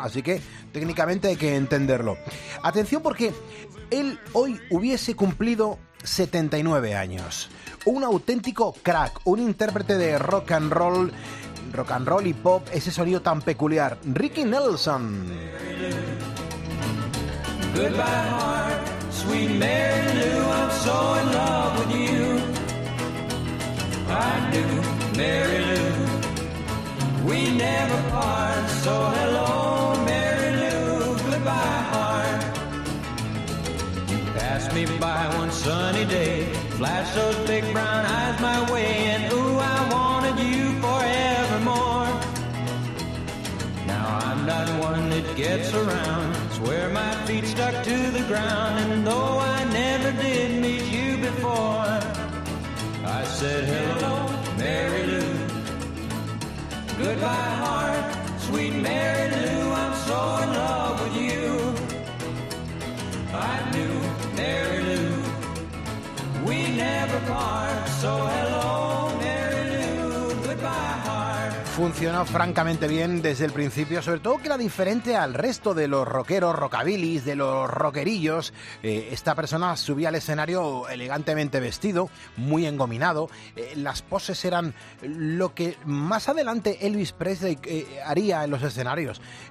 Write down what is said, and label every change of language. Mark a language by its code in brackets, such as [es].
[es] Así que técnicamente hay que entenderlo. Atención, porque él hoy hubiese cumplido 79 años. Un auténtico crack, un intérprete de rock and roll y pop, ese sonido tan peculiar. Ricky Nelson. [en] Goodbye, heart. Sweet Mary Lou, I'm so in love with you. I knew Mary Lou. We never part, so hello, Mary Lou, goodbye, heart. You passed me by one sunny day, flashed those big brown eyes my way, and ooh, I wanted you forevermore. Now I'm not one that gets around, swear my feet stuck to the ground, and though I never did meet you before, I said hello, Mary Lou. Goodbye, heart, sweet Mary Lou, I'm so in love with you. I knew Mary Lou, we never part, so hello, Mary Lou, goodbye, heart. [es] funcionó francamente bien desde el principio, sobre todo que era diferente al resto de los rockeros, rockabilis, de los rockerillos. Esta persona subía al escenario elegantemente vestido, muy engominado. Las poses eran lo que más adelante Elvis Presley haría en los escenarios.